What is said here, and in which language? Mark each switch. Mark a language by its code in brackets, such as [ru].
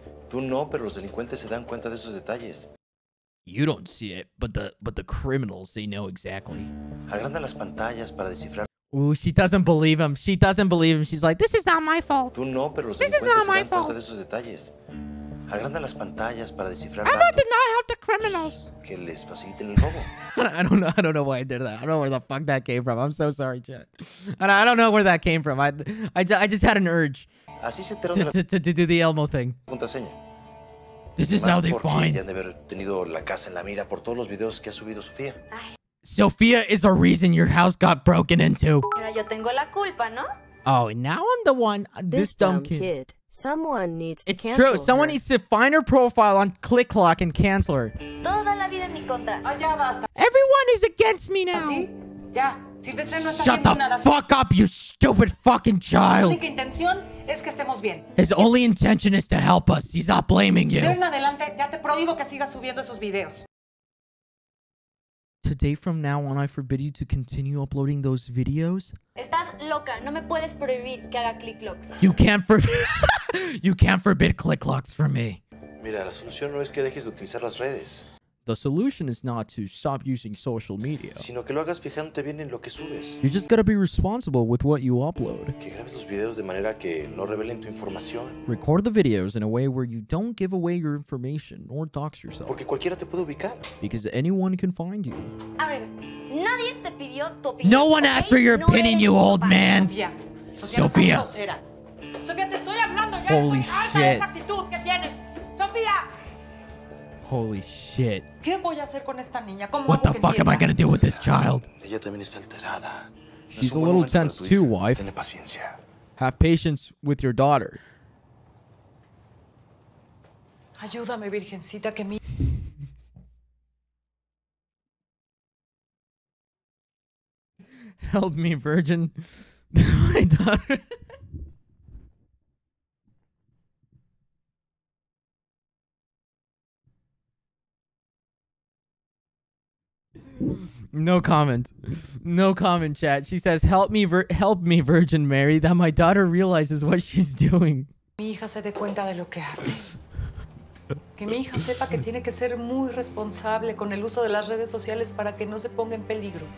[es] Tú no, pero los delincuentes se dan cuenta de esos detalles. [en] You don't see it, but the criminals, they know exactly. [es] Agranda las pantallas para descifrar. [en] Ooh, she doesn't believe him. She doesn't believe him. She's like, this is not my fault. [es] Tú no, pero los delincuentes se dan cuenta de esos detalles. Agranda las pantallas para descifrar. [en] I'm not denying help the criminals. [es] Que les faciliten el robo. [en] I don't know why I did that. I don't know where the fuck that came from. I'm so sorry, Chet. I don't know where that came from. I just had an urge to do the Elmo thing. [es] Contraseña. [en] This is how they find. [es] Además, porque ya han de haber tenido la casa en la mira por todos los videos que ha subido Sofía. [en] Sofía is the reason your house got broken into. [es] Pero yo tengo la culpa, ¿no? [en] Oh, and now I'm the one. This dumb kid. Someone needs to cancel her. It's true. Someone needs to find her profile on ClickLock and cancel her. [es] Toda la vida en mi contra. Oh, ya basta. [en] Everyone is against me now. [es] ¿Así? Ya. Silvestre no está. [en] Shut the fuck up, you stupid fucking child. [es] Su única intención es que estemos bien. [en] His only intention is to help us. He's not blaming you. [es] De en adelante, ya te prohíbo que sigas subiendo esos videos. [en] Today from now on, I forbid you to continue uploading those videos. [es] Estás loca. No me puedes prohibir que haga click locks. [en] You can't you can't forbid click locks from me. [es] Mira, la solución no es que dejes de utilizar las redes. [en] The solution is not to stop using social media. [es] Sino que lo hagas fijándote bien en lo que subes. [en] You just gotta be responsible with what you upload. [es] Que grabes los videos de manera que no revelen tu información. [en] Record the videos in a way where you don't give away your information or dox yourself. [es] Porque cualquiera te puede ubicar. [en] Because anyone can find you. [es] A ver, nadie te pidió tu opinión. [en] No one asked for your opinion, you old man. [es] Sofía. Sofía, te estoy hablando. [en] Holy shit. Sofía. Holy shit. [es] ¿Qué voy a hacer con esta niña? ¿Cómo [en] what the fuck [es] entienda? [en] Am I gonna do with this child? [es] Ella también está alterada. [en] She's a little tense too, wife. [es] Tiene paciencia. [en] Have patience with your daughter. [es] Ayúdame, virgencita, que mi... [en] Help me, virgin. My daughter... No comment, chat. She says, help me, Virgin Mary, that my daughter realizes what she's doing. [es] Mi hija se dé cuenta de lo que hace. Que mi hija sepa que tiene que ser muy responsable con el uso de las redes sociales para que no se ponga en peligro.